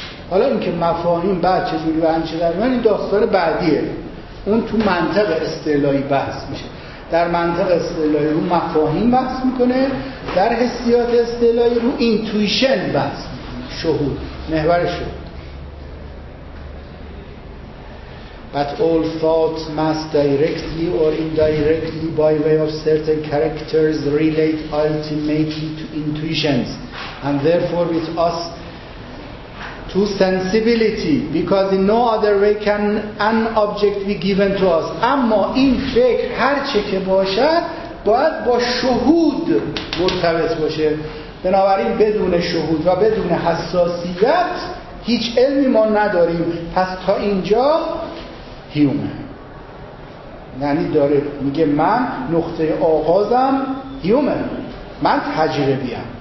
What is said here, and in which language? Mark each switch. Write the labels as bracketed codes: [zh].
[fa] حالا اینکه مفاهیم بعد چجوری به همچه در این داستان بعدیه، اون تو منطق اصطلاحی بحث میشه. در منطق اصطلاحی رو مفاهیم بحث میکنه، در حسیات اصطلاحی رو اینتویشن بحث میکنه، شهود محور شهود. [en] But all thoughts must directly or indirectly by way of certain characters relate ultimately to intuitions and therefore with us to sensibility, because in no other way can an object be given to us. [fa] اما این فکر هر چه که باشد باید با شهود مرتبط باشه، بنابراین بدون شهود و بدون حساسیت هیچ علمی ما نداریم. پس تا اینجا هیومن، یعنی داره میگه من نقطه آغازم هیومن، من تجربیم.